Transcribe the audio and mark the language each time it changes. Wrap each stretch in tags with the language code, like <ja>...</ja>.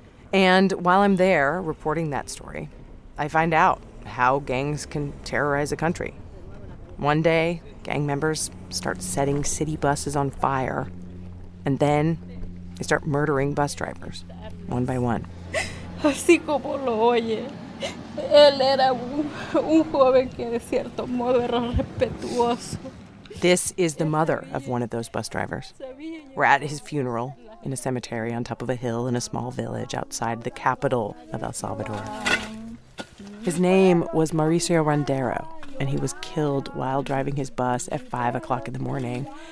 <en>And while I'm there reporting that story, I find out how gangs can terrorize a country. One day, gang members start setting city buses on fire, and then they start murdering bus drivers, one by one.</en> <es>Así como lo oye, él era un joven que de cierto modo era respetuoso.</es> <en>This is the mother of one of those bus drivers. We're at his funeral in a cemetery on top of a hill in a small village outside the capital of El Salvador. His name was Mauricio Rondero, and he was killed while driving his bus at 5 o'clock in the morning.</en>